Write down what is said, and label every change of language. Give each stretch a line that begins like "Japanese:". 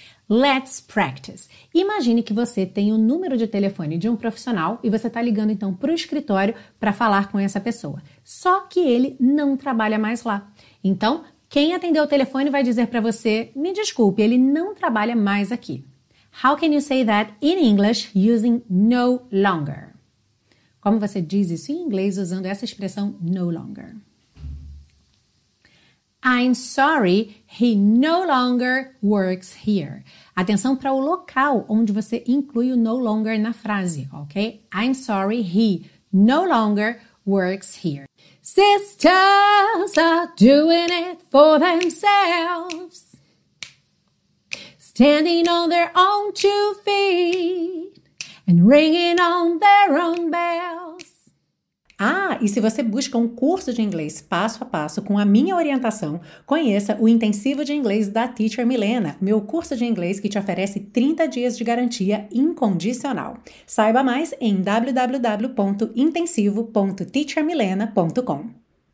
English: Let's practice.
Portuguese: Imagine que você tem o número de telefone de um profissional e você está ligando, então, para o escritório para falar com essa pessoa. Só que ele não trabalha mais lá. Então, quem atendeu o telefone vai dizer para você, me desculpe, ele não trabalha mais aqui.
English: How can you say that in English using no longer?
Portuguese: Como você diz isso em inglês usando essa expressão no longer?
English: I'm sorry, he no longer works here.
Portuguese: Atenção para o local onde você inclui o no longer na frase, ok?
English: I'm sorry, he no longer works here. Sisters are doing it for themselves, standing on their own two feet and ringing on their own bells.
Portuguese: Ah, e se você busca um curso de inglês passo a passo com a minha orientação, conheça o Intensivo de Inglês da Teacher Milena, meu curso de inglês que te oferece 30 dias de garantia incondicional. Saiba mais em www.intensivo.teachermilena.com.